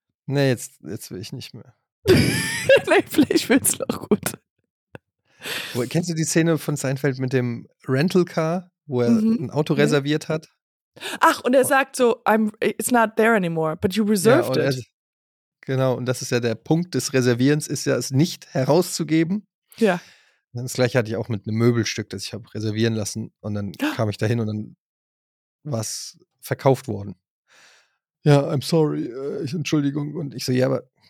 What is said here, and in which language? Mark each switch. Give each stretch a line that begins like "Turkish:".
German: Nee, jetzt will ich nicht mehr. Nee, vielleicht wird's noch gut. Kennst du die Szene von Seinfeld mit dem Rental Car, wo er ein Auto reserviert hat? Ach, und er sagt so,
English: it's not there anymore, but you reserved it.
German: Genau, und das ist ja der Punkt des Reservierens, ist ja es nicht herauszugeben. Ja. Das gleiche hatte ich auch mit einem Möbelstück, das ich habe reservieren lassen. Und dann kam ich dahin und dann war es verkauft worden. Ja,
English: I'm sorry,
German: Entschuldigung. Und ich so, ja, aber.